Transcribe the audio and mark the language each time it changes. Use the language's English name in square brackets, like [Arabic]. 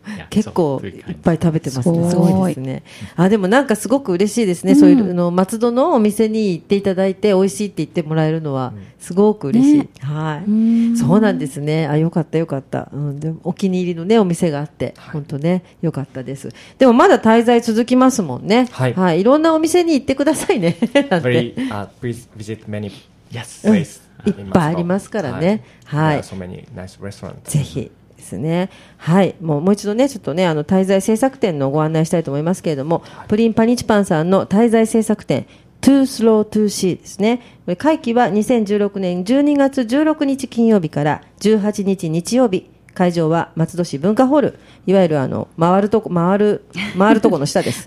[Japanese] 結構いっぱい食べてますね。すごいですね。あ、でもなんかすごく嬉しいですね、うん、そういうの松戸のお店に行っていただいて美味しいって言ってもらえるのはすごく嬉しい、ね、はい、うん、そうなんですね。あ、よかったよかった、うん、でもお気に入りのねお店があって本当、はい、ね、よかったです。でもまだ滞在続きますもんね、はい、はい、いろんなお店に行ってくださいねなんて。 [English] Very, please visit many places、うん、 [Japanese] いっぱいありますからね、はい、はい、 [English] so many nice restaurants、 [Japanese] ぜひですね、はい、もう一度ね、ちょっとね、あの滞在制作店のご案内したいと思いますけれども、はい、プリンパニチパンさんの滞在制作店 Too Slow to See ですね。これ会期は2016年12月16日金曜日から18日日曜日、会場は松戸市文化ホール、いわゆるあの回るとこの下です